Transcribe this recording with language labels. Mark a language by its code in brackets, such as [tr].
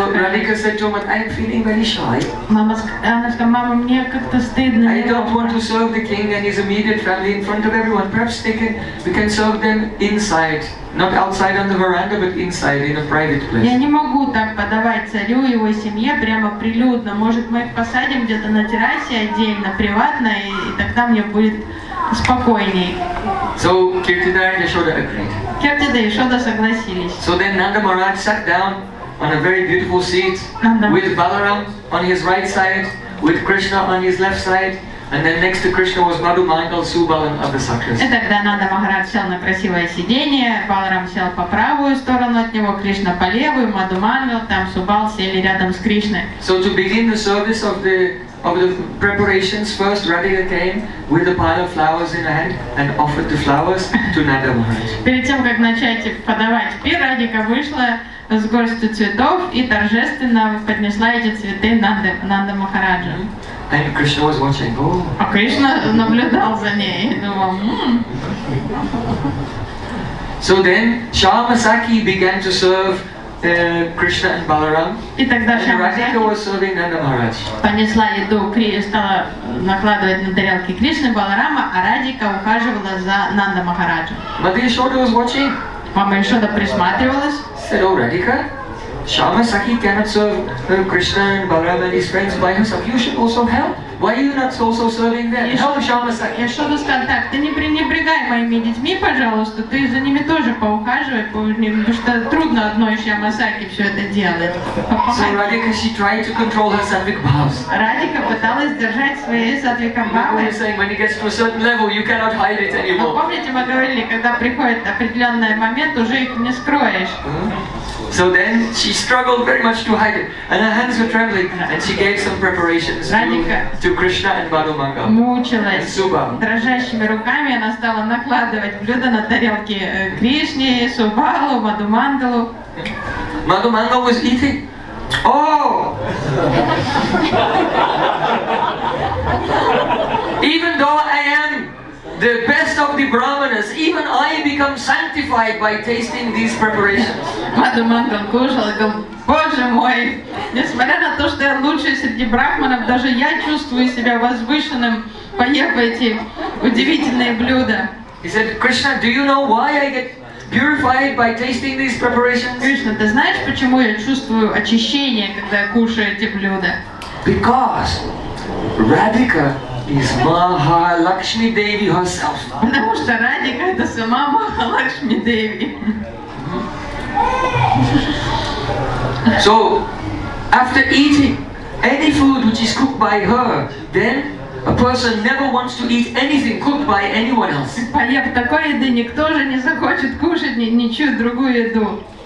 [en] So Radhika said to her, "I'm feeling very shy." [ru] Мама сказала, "Мама, мне как-то стыдно." [en] I don't want to serve the king and his immediate family in front of everyone. Perhaps we can serve them inside. Not outside on the veranda, but inside in a private place. [ru] Я не могу так подавать царю и его семье прямо прилюдно. Может, мы их посадим где-то на террасе отдельно, приватно, и тогда мне будет спокойней. [en] So Kirtida and Yashoda agreed. [ru] Kirtida и Yashoda согласились. [en] So then Nanda Maharaj sat down on a very beautiful seat with Balaram on his right side, with Krishna on his left side. And then next to Krishna was Madhu Mangal, Subal, and other sakyas. [ru] И тогда Нанда Махарадж сел на красивое сиденье, Баларам сел по правую сторону от него, Кришна по левую, Мадху Мангал, там Субал сели рядом с Кришной. [en] So to begin the service of the preparations, first Radhika came with a pile of flowers in her hand and offered the flowers to Nanda Maharaj. [ru] Перед тем как начать подавать пир, Радика вышла с горстью цветов и торжественно поднесла эти цветы Нанда Махараджу. [en] And Krishna was watching. Oh. [ru] А Кришна наблюдал за ней. [en] So then Shyamasakhi began to serve Krishna and Balaram. [ru] И тогда [en] Radhika was serving Nanda Maharaj. [ru] Понесла еду, стала накладывать на тарелки Кришны Баларама, а Радика ухаживала за Нанда Махараджу. [en] Madhu Yashoda was watching. [ru] Мама Яшода присматривалась. [en] Said, oh, Radhika. Shyamasakhi cannot serve Krishna and Balaram and his friends by himself. You should also help. Why are you not also serving them? Help Shyamasakhi. [ru] Я что-то сказал, так, ты не пренебрегай моими детьми, пожалуйста, ты за ними тоже поухаживай, потому что трудно одной Shyamasakhi все это делать. [en] So Radhika, she tried to control her sattvic bhavas. [ru] Radhika пыталась держать свои sattvic bhavas. [en] We're saying when it gets to a certain level, you cannot hide it anymore. [ru] Но помните, мы говорили, когда приходит определенный момент, уже их не скроешь. [en] So then she struggled very much to hide it, and her hands were trembling, and she gave some preparations to Krishna and Madhu Mangal. [ru] Мучилась. [en] And Subal. [ru] Дрожащими руками она стала накладывать блюда на тарелки Кришне, Субалу, Мадху Мангалу. [en] Madhu Mangal was eating. Oh! Even though I am the best of the brahmanas, even I become sanctified by tasting these preparations. [ru] Madhu Mangal кушал, говорил, Боже мой, несмотря на то, что я лучший среди брахманов, даже я чувствую себя возвышенным, поев эти удивительные блюда. [en] He said, Krishna, do you know why I get purified by tasting these preparations? [ru] Кришна, ты знаешь, почему я чувствую очищение, когда я кушаю эти блюда? [en] Because Radhika is Mahalakshmi Devi herself. [ru] Потому что Радика это сама Махалакшми Деви. [en] So, after eating any food which is cooked by her, then a person never wants to eat anything cooked by anyone else. [ru] Поев такой еды, никто же не захочет кушать ничью другую еду.